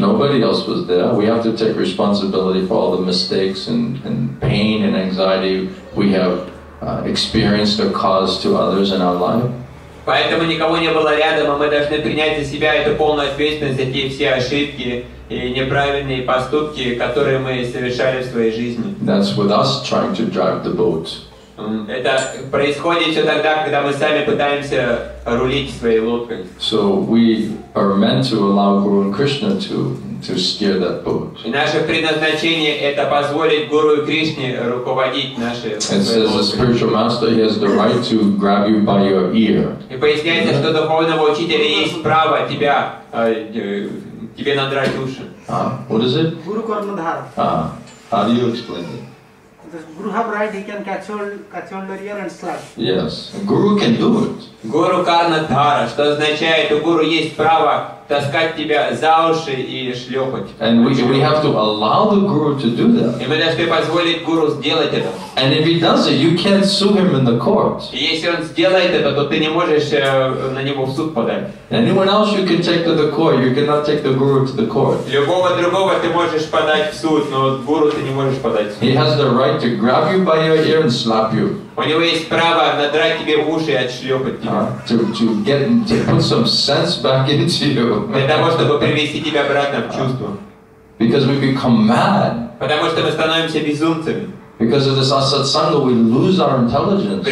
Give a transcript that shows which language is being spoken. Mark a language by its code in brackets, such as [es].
[en] Nobody else was there. We have to take responsibility for all the mistakes and pain and anxiety we have experienced or caused to others in our life. [ru] Поэтому никого не было рядом, и мы должны принять за себя эту полную ответственность за те все ошибки и неправильные поступки, которые мы совершали в своей жизни. [en] That's with us trying to drive the boat. [ru] Это происходит все тогда, когда мы сами пытаемся рулить своей лодкой. [en] So we are meant to allow Guru and Krishna to steer that boat. [ru] И наше предназначение это позволить Гуру и Кришне руководить нашей лодкой. [en] It says the spiritual master has the right to grab you by your ear. [ru] И поясняется, что духовного учителя есть право тебе надрать уши. [en] What is it? [sa] Гуру кармадхар. [en] How do you explain it? The guru have right, he can catch hold of your ear and slap. Yes, guru can do it. [ru] Guru karna dhara, что означает, у гуру есть право таскать тебя за уши и шлепать. [en] And we have to allow the guru to do that. [ru] И мы должны позволить гуру сделать это. [en] And if he does it, you can't sue him in the court. [ru] Если он сделает это, то ты не можешь на него в суд подать. [en] Anyone else you can take to the court, you cannot take the guru to the court. [ru] Любого другого ты можешь подать в суд, но гуру ты не можешь подать в суд. [en] He has the right to grab you by your ear and slap you. [ru] У него есть право надрать тебе в уши и отшлепать тебя. [en] To put some sense back into you. [ru] Для того, чтобы привести тебя обратно в чувство. [en] Because we become mad. [ru] Потому что мы становимся безумцами. [en] Because of this asatsanga, we lose our intelligence.